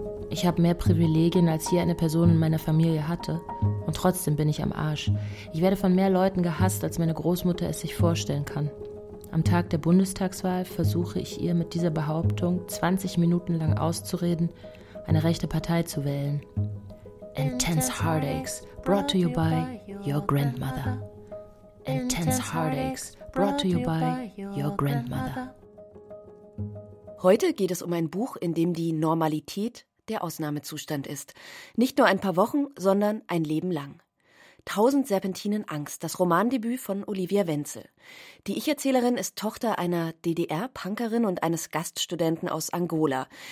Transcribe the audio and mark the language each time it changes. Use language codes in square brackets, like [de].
[de] Ich habe mehr Privilegien, als je eine Person in meiner Familie hatte. Und trotzdem bin ich am Arsch. Ich werde von mehr Leuten gehasst, als meine Großmutter es sich vorstellen kann. Am Tag der Bundestagswahl versuche ich ihr mit dieser Behauptung 20 Minuten lang auszureden, eine rechte Partei zu wählen. [en] Intense heartaches brought to you by your grandmother. Intense heartaches brought to you by your grandmother. [de] Heute geht es um ein Buch, in dem die Normalität der Ausnahmezustand ist. Nicht nur ein paar Wochen, sondern ein Leben lang. 1000 Serpentinen Angst, das Romandebüt von Olivia Wenzel. Die Ich-Erzählerin ist Tochter einer DDR-Punkerin und eines Gaststudenten aus Angola.